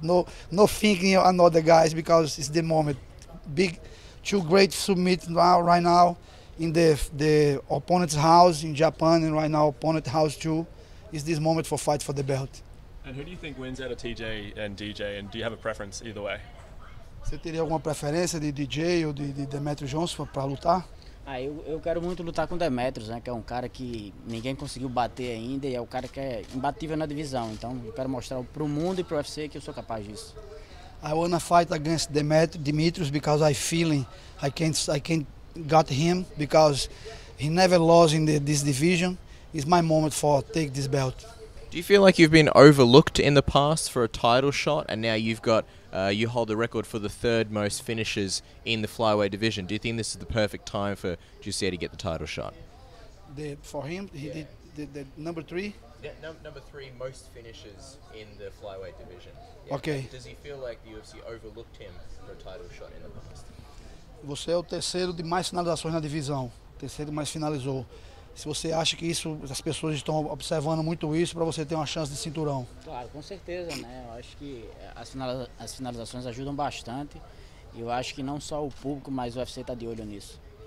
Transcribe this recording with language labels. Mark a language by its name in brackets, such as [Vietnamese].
[English] No thinking on other guys because it's the moment. Big, two great submit now, right now in the opponent's house in Japan and right now opponent house too. It's this moment for fight for the belt. And who do you think wins out of TJ and DJ and do you have a preference either way? [Portuguese] Você teria alguma preferência de DJ ou de Demetrius Johnson para lutar? Ah, eu quero muito lutar com o Demetrius, né? Que é um cara que ninguém conseguiu bater ainda e é o cara que é imbatível na divisão. Então, eu quero mostrar para o mundo e para o UFC que eu sou capaz disso. [English] I want to fight against Demetrius because I feeling I can't got him because he never lost in this division. It's my moment for take this belt. Do you feel like you've been overlooked in the past for a title shot, and now you've got you hold the record for the third most finishes in the flyweight division? Do you think this is the perfect time for Jussier to get the title shot? For him, he did the number three. Number three most finishes in the flyweight division. Yeah. Okay. Does he feel like the UFC overlooked him for a title shot in the past? [Portuguese] Você é o terceiro de mais finalizações na divisão. Terceiro mais finalizou. Se você acha que isso, as pessoas estão observando muito isso para você ter uma chance de cinturão. Claro, com certeza, né? Eu acho que as finalizações ajudam bastante. E eu acho que não só o público, mas o UFC está de olho nisso.